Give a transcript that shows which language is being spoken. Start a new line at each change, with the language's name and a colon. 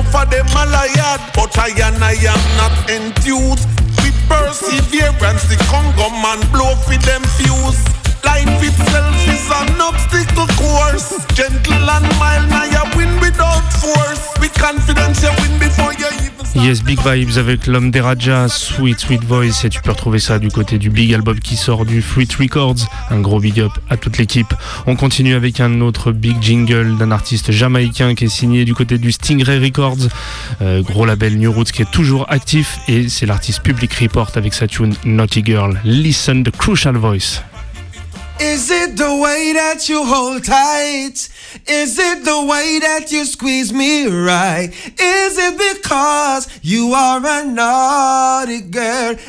English: Them a liar, but I am not enthused. With perseverance, the Congo man blow for them fuse. Life itself is an obstacle course. Gentle and mild, now you win without force. With confidence, you win before you.
French: Yes, Big Vibes avec l'homme De Raja, Sweet Sweet Voice, et tu peux retrouver ça du côté du Big Album qui sort du Fruit Records. Un gros big up à toute l'équipe. On continue avec un autre big jingle d'un artiste jamaïcain qui est signé du côté du Stingray Records, gros label New Roots qui est toujours actif, et c'est l'artiste Public Report avec sa tune Naughty Girl.
English: Listen to Crucial Voice. Is it the way that you hold tight? Is it the way that you squeeze me right? Is it because you are a naughty girl?